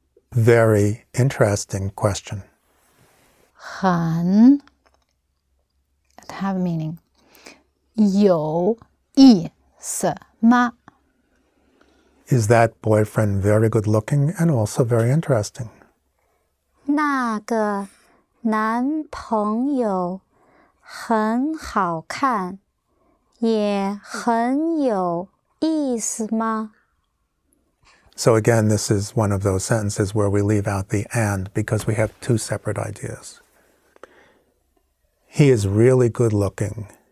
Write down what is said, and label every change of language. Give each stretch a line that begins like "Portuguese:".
English: Very interesting question. 很, have meaning.
Chinese: 有意思吗?
English: Is that boyfriend very good looking and also very interesting?
Chinese: 那个男朋友很好看，也很有意思吗?
English: So again, this is one of those sentences where we leave out the and because we have two separate ideas. He is really good looking.